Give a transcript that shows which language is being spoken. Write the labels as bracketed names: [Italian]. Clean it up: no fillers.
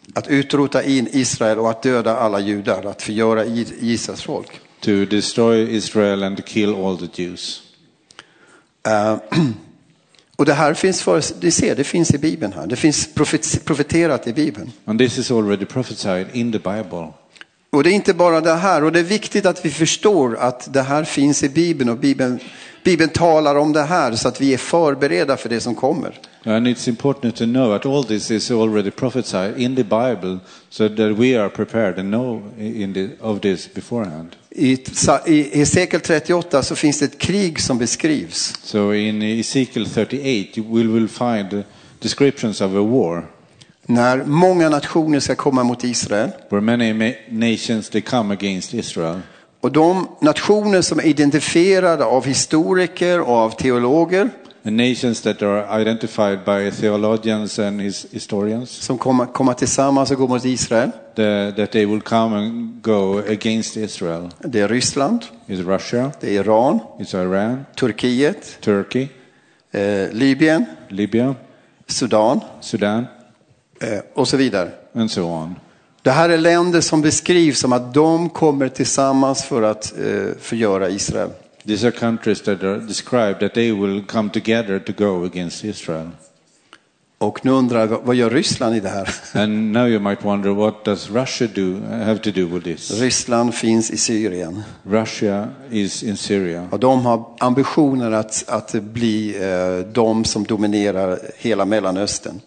[Swedish] Att utrota in Israel och att döda alla judar, att förgöra Israels folk. [English] To destroy Israel and kill all the Jews. [Swedish] Och det här finns för oss, ni ser, det finns i Bibeln här. Det finns profeterat i Bibeln. [English] And this is already prophesied in the Bible. [Swedish] Och det är inte bara det här, och det är viktigt att vi förstår att det här finns i Bibeln och Bibeln talar om det här, så att vi är förberedda för det som kommer. [English] And it's important to know that all this is already prophesied in the Bible, so that we are prepared and know of this beforehand. [Swedish] I Hesekiel 38 så finns det ett krig som beskrivs. [English] So in Ezekiel 38 we will find descriptions of a war. [Swedish] När många nationer ska komma mot Israel. [English] Where many nations they come against Israel. [Swedish] Och de nationer som är identifierade av historiker och av teologer. [English] The nations that are identified by theologians and historians. [Swedish] Som kommer tillsammans och går mot Israel. [English] That they will come and go against Israel. [Swedish] Det är Ryssland. [English] Is Russia. [Swedish] Det är Iran. [English] Is Iran. [Swedish] Turkiet. [English] Turkey. [Swedish] Libyen. [English] Libya. [Swedish] Sudan. [English] Sudan. [Swedish] Och så vidare. [English] And so on. [Swedish] Det här är länder som beskrivs som att de kommer tillsammans för att förgöra Israel. [English] These are countries that are described that they will come together to go against Israel. [Swedish] Och nu undrar vad gör Ryssland i det här? [English] And now you might wonder what does Russia do have to do with this? [Swedish] Ryssland finns i Syrien. [English] Russia is in Syria. [Swedish] Och de har ambitioner att bli de som dominerar hela Mellanöstern.